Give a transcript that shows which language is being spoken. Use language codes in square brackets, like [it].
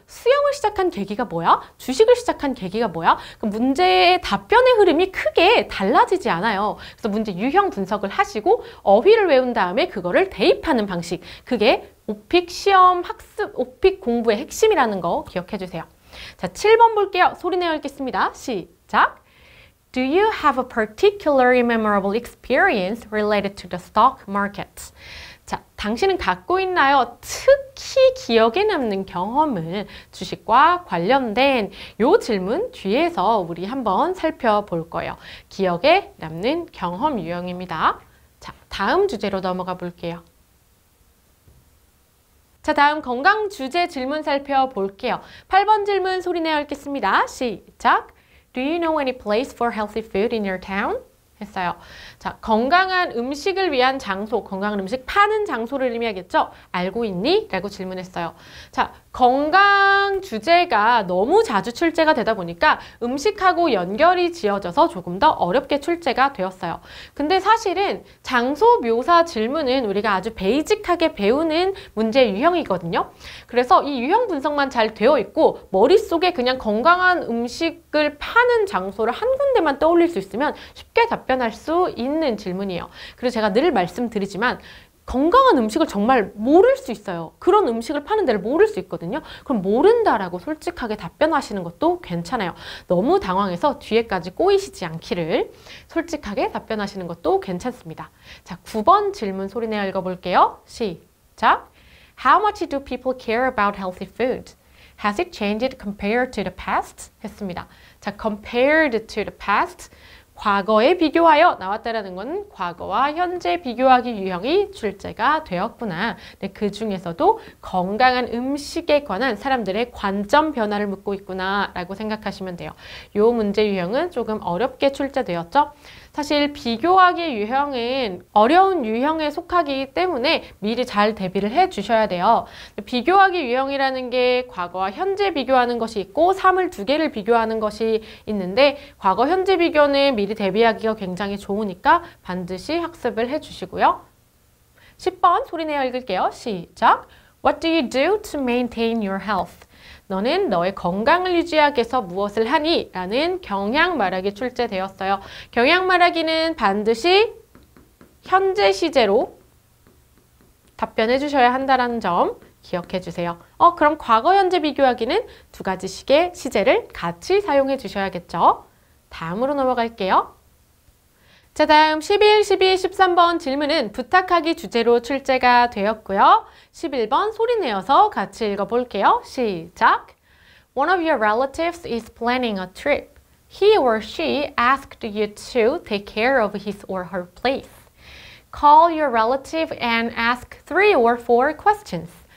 [ko] 수영을 시작한 계기가 뭐야? 주식을 시작한 계기가 뭐야? 그 문제의 답변의 흐름이 크게 달라지지 않아요. 그래서 문제 유형 분석을 하시고 어휘를 외운 다음에 그거를 대입하는 방식. 그게 오픽 시험 학습, 오픽 공부의 핵심이라는 거 기억해 주세요. 자, 7번 볼게요. 소리내어 읽겠습니다. 시작! [en] Do you have a particularly memorable experience related to the stock market? [ko] 자, 당신은 갖고 있나요? 특히 기억에 남는 경험을 주식과 관련된 요 질문 뒤에서 우리 한번 살펴볼 거예요. 기억에 남는 경험 유형입니다. 자, 다음 주제로 넘어가 볼게요. 자, 다음 건강 주제 질문 살펴볼게요. 8번 질문 소리내어 읽겠습니다. 시작! [en] Do you know any place for healthy food in your town? [ko] 했어요. 자, 건강한 음식을 위한 장소, 건강한 음식 파는 장소를 의미하겠죠? 알고 있니? 라고 질문했어요. 자, 건강 주제가 너무 자주 출제가 되다 보니까 음식하고 연결이 지어져서 조금 더 어렵게 출제가 되었어요. 근데 사실은 장소 묘사 질문은 우리가 아주 베이직하게 배우는 문제 유형이거든요. 그래서 이 유형 분석만 잘 되어 있고 머릿속에 그냥 건강한 음식을 파는 장소를 한 군데만 떠올릴 수 있으면 쉽게 답변할 수 있는 질문이에요. 그리고 제가 늘 말씀드리지만 건강한 음식을 정말 모를 수 있어요. 그런 음식을 파는 데를 모를 수 있거든요. 그럼 모른다라고 솔직하게 답변하시는 것도 괜찮아요. 너무 당황해서 뒤에까지 꼬이시지 않기를 솔직하게 답변하시는 것도 괜찮습니다. 자, 9번 질문 소리내어 읽어볼게요. 시작! [en] How much do people care about healthy food? Has it changed compared to the past? [ko] 했습니다. 자, [en] compared to the past. [ko] 과거에 비교하여 나왔다라는 건 과거와 현재 비교하기 유형이 출제가 되었구나. 근데 그 중에서도 건강한 음식에 관한 사람들의 관점 변화를 묻고 있구나라고 생각하시면 돼요. 요 문제 유형은 조금 어렵게 출제되었죠? 사실 비교하기 유형은 어려운 유형에 속하기 때문에 미리 잘 대비를 해 주셔야 돼요. 비교하기 유형이라는 게 과거와 현재 비교하는 것이 있고 삶을 두 개를 비교하는 것이 있는데 과거 현재 비교는 미리 대비하기가 굉장히 좋으니까 반드시 학습을 해 주시고요. 10번 소리내어 읽을게요. 시작! [en] What do you do to maintain your health? [ko] 너는 너의 건강을 유지하기 위해서 무엇을 하니? 라는 경향 말하기 출제되었어요. 경향 말하기는 반드시 현재 시제로 답변해 주셔야 한다는 점 기억해 주세요. 그럼 과거 현재 비교하기는 두 가지 식의 시제를 같이 사용해 주셔야겠죠. 다음으로 넘어갈게요. 자, 다음 11, 12, 13번 질문은 부탁하기 주제로 출제가 되었고요. 11번 소리내어서 같이 읽어볼게요. 시작! [en] One of your relatives is planning a trip. He or she asked you to take care of his or her place. Call your relative and ask three or four questions.